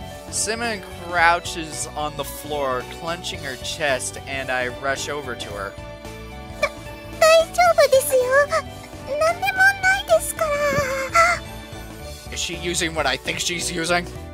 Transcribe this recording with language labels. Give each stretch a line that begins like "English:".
English: Cinnamon crouches on the floor, clenching her chest, and I rush over to her.
Japanese: 大丈夫ですよ。なんでもないですから。
English: Is she using what I think she's using?